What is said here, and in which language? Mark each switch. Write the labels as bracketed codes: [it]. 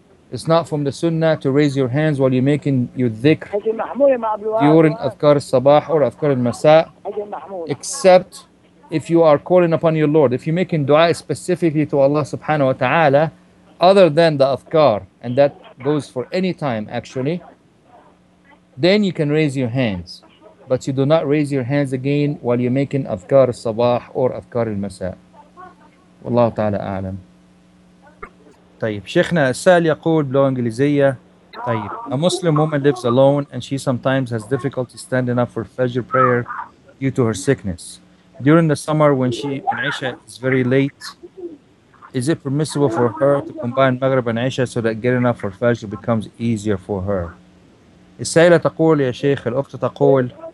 [en] It's not from the sunnah to raise your hands while you're making your dhikr during adhkar al-sabah or adhkar al-masa', except if you are calling upon your Lord, if you're making dua specifically to Allah subhanahu wa ta'ala, other than the adhkar, and that goes for any time actually, then you can raise your hands. But you do not raise your hands again while you're making adhkar al-sabah or adhkar al-masa'. Wallahu ta'ala a'lam. [ar] طيب شيخنا السائل يقول بلغة إنجليزية. [en] طيب, a Muslim woman lives alone and she sometimes has difficulty standing up for Fajr prayer due to her sickness. During the summer when Isha is very late, is it permissible for her to combine Maghrib and Isha so that getting up for Fajr becomes easier for her? [ar] السائلة تقول يا شيخ, الأخت تقول